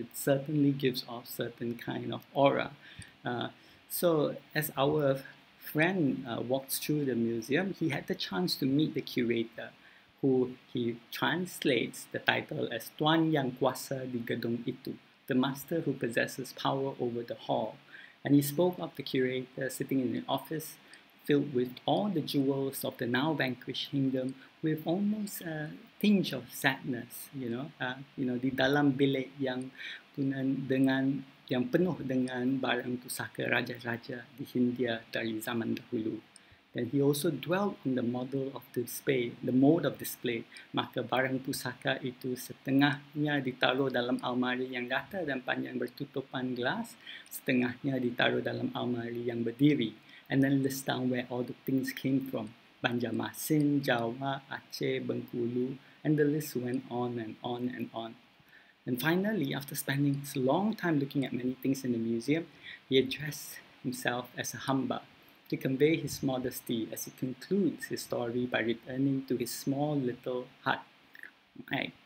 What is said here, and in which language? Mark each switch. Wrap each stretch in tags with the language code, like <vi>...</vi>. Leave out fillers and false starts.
<en>It certainly gives off certain kind of aura. So as our friend walks through the museum, he had the chance to meet the curator, who he translates the title as</en> <ms>Tuan Yang Kuasa di Gedung Itu,</ms> <en>the master who possesses power over the hall. And he spoke of the curator sitting in an office filled with all the jewels of the now vanquished kingdom with almost a tinge of sadness, you know.</en> <ms>Di dalam bilik yang penuh dengan barang pusaka raja-raja di Hindia dari zaman dahulu.</ms> <en>And he also dwelt on the model of display, the mode of display.</en> <ms>Maka barang pusaka itu setengahnya ditaruh dalam almari yang datar dan panjang bertutupan glass, setengahnya ditaruh dalam almari yang berdiri.</ms> <en>And then list down where all the things came from. Banjarmasin, Jawa, Aceh, Bengkulu. And the list went on and on and on. And finally, after spending a long time looking at many things in the museum, he addressed himself as a hamba to convey his modesty as he concludes his story by returning to his small little hut. Right?</en>